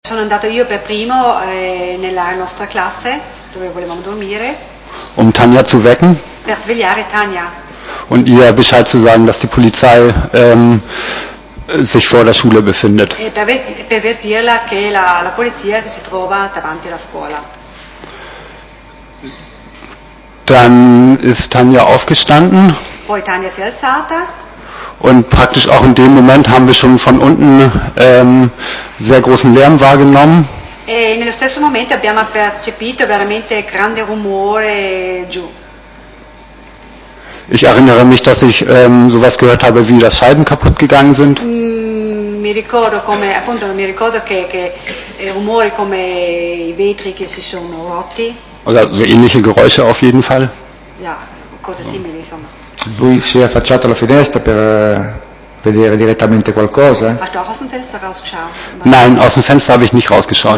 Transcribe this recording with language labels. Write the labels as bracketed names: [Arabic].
[Italian] Sono andato io per primo nella nostra classe dove volevamo dormire. [German] Um Tanja zu wecken. [Italian] Per svegliare Tanja. [German] Und ihr Bescheid zu sagen, dass die Polizei sich vor der Schule befindet. [Italian] Per dirla che la polizia si trova davanti alla scuola. [German] Dann ist Tanja aufgestanden. [Italian] Poi Tanja si è alzata. [German] Und praktisch auch in dem Moment haben wir schon von unten sehr großen Lärm wahrgenommen. [Italian] E nello stesso momento abbiamo percepito veramente grande rumore giù. [German] Ich erinnere mich, dass ich sowas gehört habe, wie das Scheiben kaputt gegangen sind. [Italian] Mi ricordo come, appunto, mi ricordo che rumori come i vetri che si sono rotti. [German] Oder so ähnliche Geräusche auf jeden Fall. [Italian] Ja, cose simili, insomma. Lui si è affacciato alla finestra per vedere direttamente qualcosa. [German] Hast du auch aus dem Fenster rausgeschaut? Nein, aus dem Fenster habe ich nicht rausgeschaut.